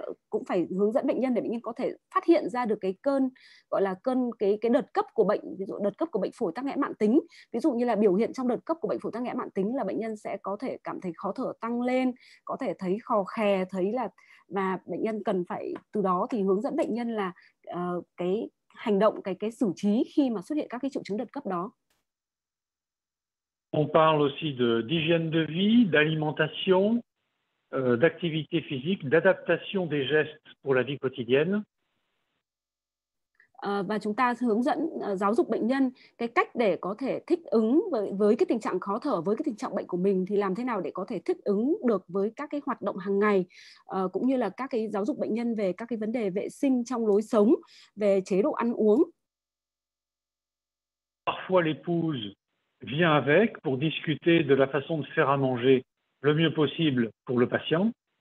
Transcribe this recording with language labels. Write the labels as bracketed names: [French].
[Vietnamese] cũng phải hướng dẫn bệnh nhân để bệnh nhân có thể phát hiện ra được cái cơn gọi là cơn cái đợt cấp của bệnh, ví dụ đợt cấp của bệnh phổi tắc nghẽn mạn tính, ví dụ như là biểu hiện trong đợt cấp của bệnh phổi tắc nghẽn mạn tính là bệnh nhân sẽ có thể cảm thấy khó thở tăng lên, có thể thấy khò khè, thấy là và bệnh nhân cần phải từ đó thì hướng dẫn bệnh nhân là cái hành động cái xử trí khi mà xuất hiện các cái triệu chứng đợt cấp đó. [French] On parle aussi d'hygiène de vie, d'alimentation, d'activité physique, d'adaptation des gestes pour la vie quotidienne. [Vietnamese] Và chúng ta hướng dẫn giáo dục bệnh nhân cái cách để có thể thích ứng với cái tình trạng khó thở, với cái tình trạng bệnh của mình thì làm thế nào để có thể thích ứng được với các cái hoạt động hàng ngày cũng như là các cái giáo dục bệnh nhân về các cái vấn đề vệ sinh trong lối sống, về chế độ ăn uống. [French] Parfois l'épouse vient avec pour discuter de la façon de faire à manger le mieux possible pour le patient.